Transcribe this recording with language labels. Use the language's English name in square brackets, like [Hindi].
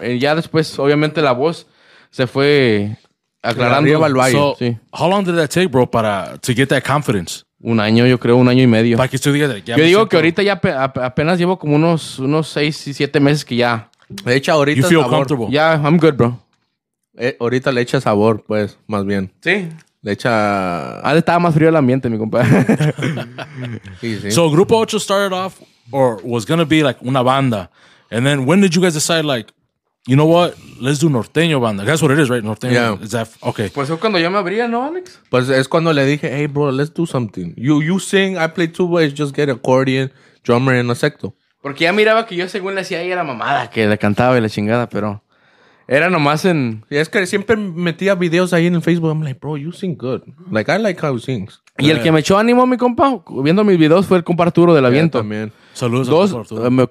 [Spanish] Y ya después, obviamente, la voz se fue aclarando. [English] So, [Spanish] sí. [English] How long did that take, bro, to get that confidence? [Spanish] Un año, yo creo, un año y medio. [English] Like you together, [Spanish] yo digo que ahorita ya apenas llevo como unos 6 y 7 meses que ya. Le echa ahorita [English] you feel [Spanish] sabor. [English] Comfortable. Yeah, I'm good, bro. [Spanish] Ahorita le echa sabor, pues, más bien. Sí. De hecho, estaba más frío el ambiente, mi compadre. [English] So, Grupo 8 started off, or was going to be like [Spanish] una banda. [English] And then, when did you guys decide, like, you know what? Let's do Norteño banda. That's what it is, right? Norteño. Yeah. Is that, okay. [Spanish] Pues es cuando yo me abría, ¿no, Alex? Pues es cuando le dije, [English] hey, bro, let's do something. You sing, I play tuba, just get accordion, drummer, and a sexto. [Spanish] Porque ya miraba que yo, según le hacía, ahí era mamada, que le cantaba y la chingada, pero... Era nomás en... Y es que siempre metía videos ahí en el Facebook. [English] I'm like, bro, you sing good. Like, I like how he sings. [Spanish] Y yeah. el que me echó ánimo, mi compa, viendo mis videos, fue el compa Arturo del Aviento. Yeah, también. Saludos dos, a compa Arturo.